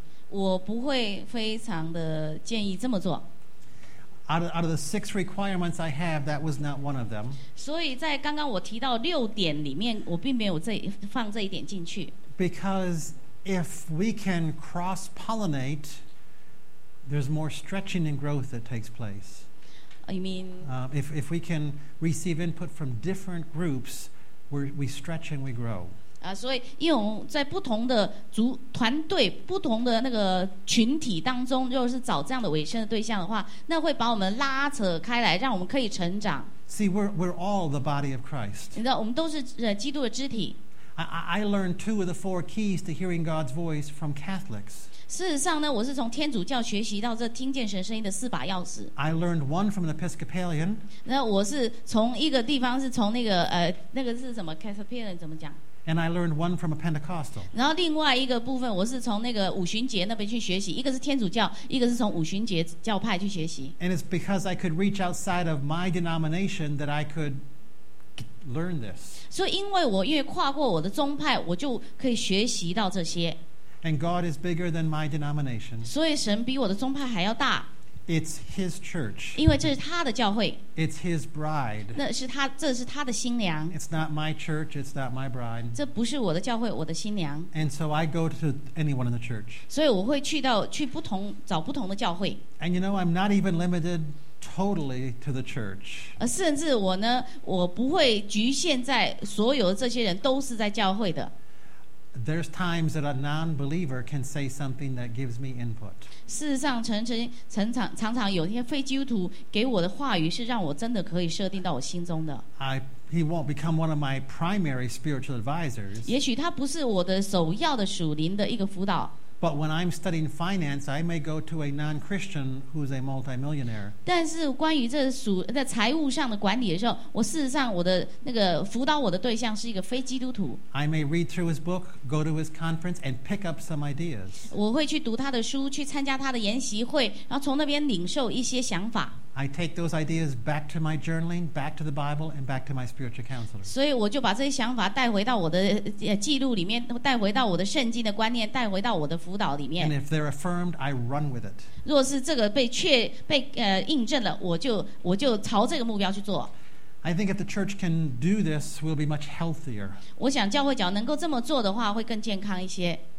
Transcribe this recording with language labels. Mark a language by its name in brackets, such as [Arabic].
[Chinese] 我不会非常的建议这么做。 [English] Out of the six requirements I have, that was not one of them. [Chinese] 所以在刚刚我提到六点里面，我并没有放这一点进去。 [English] Because if we can cross-pollinate, there's more stretching and growth that takes place. You mean? If we can receive input from different groups, we stretch and we grow. [Chinese] 所以因为我们在不同的团队不同的那个群体当中就是找这样的委身的对象的话那会把我们拉扯开来让我们可以成长 [English] See, we're all the body of Christ [Chinese] 你知道我们都是基督的肢体 [English] I learned two of the four keys to hearing God's voice from Catholics [Chinese] 事实上呢我是从天主教学习到这听见神声音的四把钥匙 [English] I learned one from an Episcopalian [Chinese] 那我是从一个地方是从那个是什么 Episcopalian 怎么讲 [English] And I learned one from a Pentecostal. [Chinese] 然后另外一个部分，我是从那个五旬节那边去学习。一个是天主教，一个是从五旬节教派去学习。 [English] And it's because I could reach outside of my denomination that I could learn this. [Chinese] 所以因为我越跨过我的宗派，我就可以学习到这些。 [English] And God is bigger than my denomination. [Chinese] 所以神比我的宗派还要大。 [English] It's His church. [Chinese] 因为这是他的教会。 [English] It's His bride. [Chinese] 这是他的新娘。 [English] It's not my church. It's not my bride. [Chinese] 这不是我的教会，我的新娘。 [English] And so I go to anyone in the church. [Chinese] 所以我会去不同找不同的教会。 [English] And you know I'm not even limited totally to the church. [Chinese] 甚至我呢，我不会局限在所有的这些人都是在教会的。 [English] There's times that a non-believer can say something that gives me input. [Chinese] 事实上，常常有一些非基督徒给我的话语是让我真的可以设定到我心中的。 [English] I he won't become one of my primary spiritual advisors. [Chinese] 也许他不是我的首要的属灵的一个辅导。 [English] But when I'm studying finance, I may go to a non-Christian who is a multimillionaire. [Chinese] 但是关于这属在财务上的管理的时候，我事实上我的那个辅导我的对象是一个非基督徒。 [English] I may read through his book, go to his conference, and pick up some ideas. [Chinese] 我会去读他的书，去参加他的研习会，然后从那边领受一些想法。 [English] I take those ideas back to my journaling, back to the Bible, and back to my spiritual counselor. [Chinese] 所以我就把这些想法带回到我的记录里面，带回到我的圣经的观念，带回到我的辅导里面。 [English] And if they're affirmed, I run with it. [Chinese] 若是这个印证了，我就朝这个目标去做。 [English] I think if the church can do this, we'll be much healthier. [Chinese] 我想教会只要能够这么做的话，会更健康一些。